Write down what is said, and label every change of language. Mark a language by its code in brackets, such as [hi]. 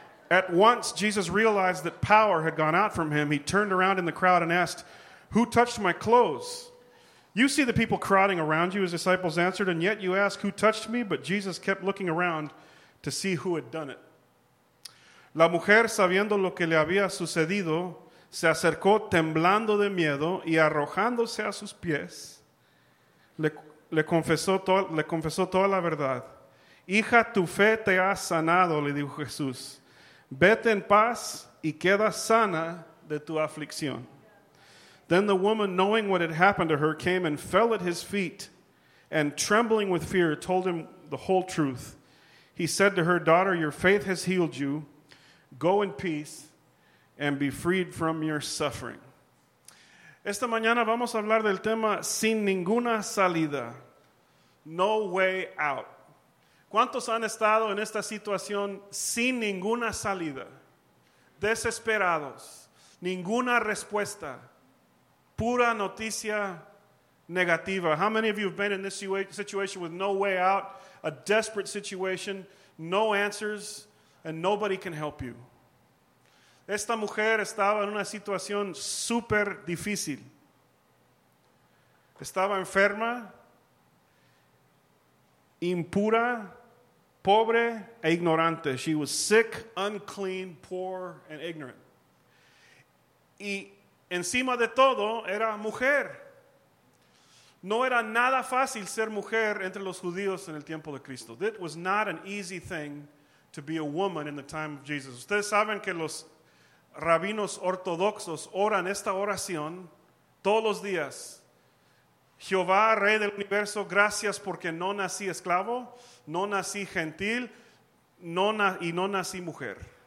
[en] At once Jesus realized that power had gone out from him. He turned around in the crowd and asked, who touched my clothes? You see the people crowding around you, his disciples answered, and yet you ask, who touched me? But Jesus kept looking around to see who had done it. [es] La mujer, sabiendo lo que le había sucedido, se acercó temblando de miedo y arrojándose a sus pies, le confesó toda la verdad. Hija, tu fe te ha sanado, le dijo Jesús. Vete en paz y queda sana de tu aflicción. [en] Then the woman, knowing what had happened to her, came and fell at his feet and, trembling with fear, told him the whole truth. He said to her, daughter, your faith has healed you. Go in peace and be freed from your suffering. [es] Esta mañana vamos a hablar del tema sin ninguna salida. [en] No way out. [es] ¿Cuántos han estado en esta situación sin ninguna salida? Desesperados. Ninguna respuesta. Pura noticia negativa. [en] How many of you have been in this situation with no way out? A desperate situation. No answers. And nobody can help you. [es] Esta mujer estaba en una situación súper difícil. Estaba enferma, impura, pobre e ignorante. [en] She was sick, unclean, poor, and ignorant. [es] Y encima de todo, era mujer. No era nada fácil ser mujer entre los judíos en el tiempo de Cristo. [en] It was not an easy thing to be a woman in the time of Jesus. [es] Ustedes saben que los rabinos ortodoxos oran esta oración todos los días. Jehová, Rey del Universo, gracias porque no nací esclavo, no nací gentil, no nací mujer.